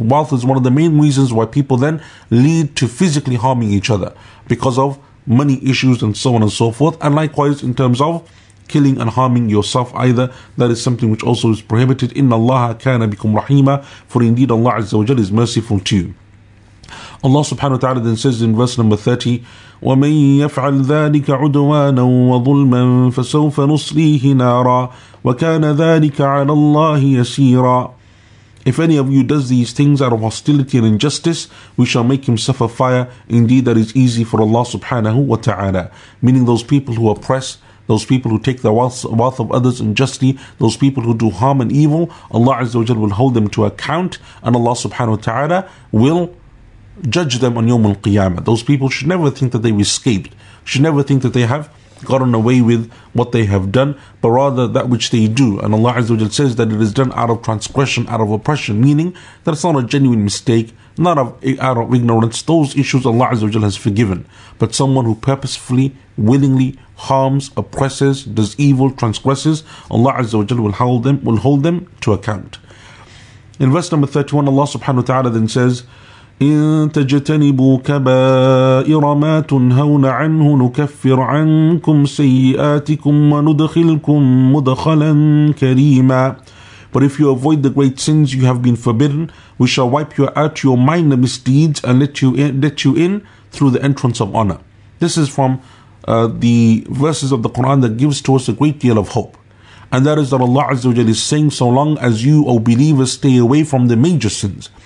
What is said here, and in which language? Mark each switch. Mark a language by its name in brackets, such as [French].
[English] Wealth is one of the main reasons why people then lead to physically harming each other, because of money issues and so on and so forth. And likewise in terms of killing and harming yourself either, that is something which also is prohibited. [Arabic] إِنَّ اللَّهَ كَانَ بِكُمْ رَحِيمًا, [English] for indeed Allah Azza wa Jalla is merciful to you. Allah subhanahu wa ta'ala then says in verse number 30, [Arabic] وَمَنْ يَفْعَلْ ذَٰلِكَ عُدْوَانًا وَظُلْمًا فَسَوْفَ نُصْلِيهِ نَارًا وَكَانَ ذَٰلِكَ عَلَى اللَّهِ يَسِيرًا. [English] If any of you does these things out of hostility and injustice, we shall make him suffer fire. Indeed, that is easy for Allah subhanahu wa ta'ala. Meaning those people who oppress, those people who take the wealth of others unjustly, those people who do harm and evil, Allah Azza wa Jalla will hold them to account, and Allah subhanahu wa ta'ala will judge them on Yawm al-Qiyamah. Those people should never think that they've escaped, should never think that they have gotten away with what they have done, but rather that which they do. And Allah Azza wa Jalla says that it is done out of transgression, out of oppression, meaning that it's not a genuine mistake, not out of ignorance. Those issues Allah Azza wa Jalla has forgiven. But someone who purposefully, willingly harms, oppresses, does evil, transgresses, Allah Azza wa Jalla will hold them to account. In verse number 31, Allah subhanahu wa ta'ala then says, [Arabic] إِن تَجْتَنِبُوا كَبَائِرَ مَا تُنْهَوْنَ عَنْهُ نُكَفِّرْ عَنْكُمْ سَيِّئَاتِكُمْ وَنُدْخِلْكُمْ مُدْخَلًا كَرِيمًا. [English] But if you avoid the great sins you have been forbidden, we shall wipe you out your minor misdeeds and let you in through the entrance of honor. This is from the verses of the Quran that gives to us a great deal of hope. And that is that Allah Azza wa Jalla is saying, so long as you, O believers, stay away from the major sins.